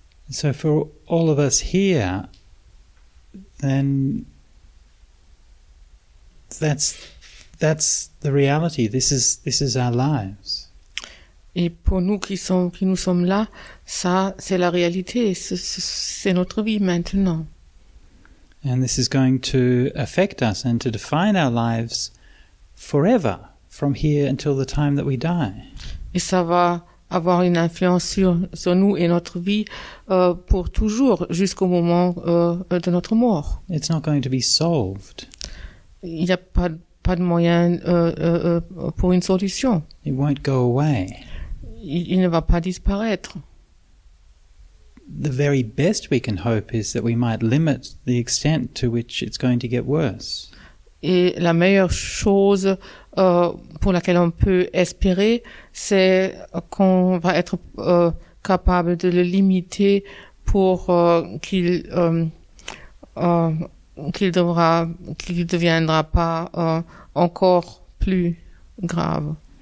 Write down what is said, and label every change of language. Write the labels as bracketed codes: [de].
[en] So for all of us here, then that's the reality. This is our lives. [fr] Et pour nous qui nous sommes là, ça c'est la réalité. C'est notre vie maintenant. [en] And this is going to affect us and to define our lives forever, from here until the time that we die. [fr] Et ça va avoir une influence sur nous et notre vie pour toujours, jusqu'au moment de notre mort. [en] It's not going to be solved. [fr] Il n'y a pas de moyen pour une solution. [en] It won't go away. [fr] Il ne va pas disparaître. [en] The very best we can hope is that we might limit the extent to which it's going to get worse. [fr] Et la meilleure chose pour laquelle on peut espérer, c'est qu'on va être capable de le limiter pour qu'il deviendra pas encore plus grave.